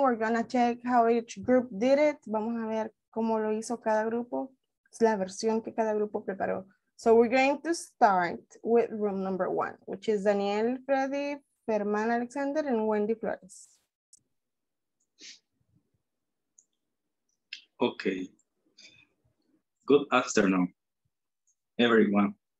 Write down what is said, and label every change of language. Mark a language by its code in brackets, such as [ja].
[en] We're gonna check how each group did it. [es] Vamos a ver cómo lo hizo cada grupo. Es la versión que cada grupo preparó. [en] So we're going to start with room number one, which is Daniel, Freddy, Herman Alexander, and Wendy Flores. Okay. Good afternoon, everyone.